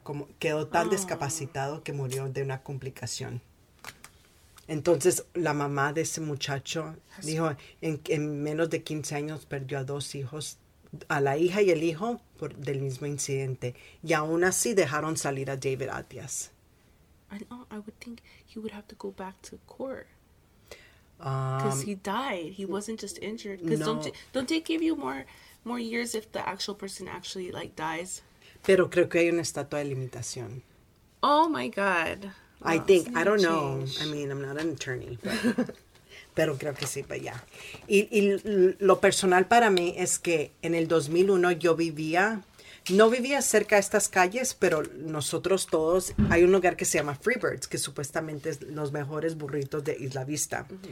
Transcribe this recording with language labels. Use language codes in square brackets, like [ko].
[es] Como, quedó tan discapacitado que murió de una complicación. Entonces, la mamá de ese muchacho dijo, en menos de 15 años perdió a 2 hijos, a la hija y el hijo, por del mismo incidente. Y aún así dejaron salir a David Atias. [en] I would think he would have to go back to court. Because he died. He wasn't just injured. Because no. don't they give you more years if the actual person actually, like, dies? [es] Pero creo que hay una estatua de limitación. [en] Oh, my God. I think, I don't know, I mean, I'm not an attorney, [es] pero creo que sí, [en] but yeah. [es] Y lo personal para mí es que en el 2001 yo vivía, no vivía cerca de estas calles, pero nosotros todos, hay un lugar que se llama Freebirds, que supuestamente es los mejores burritos de Isla Vista.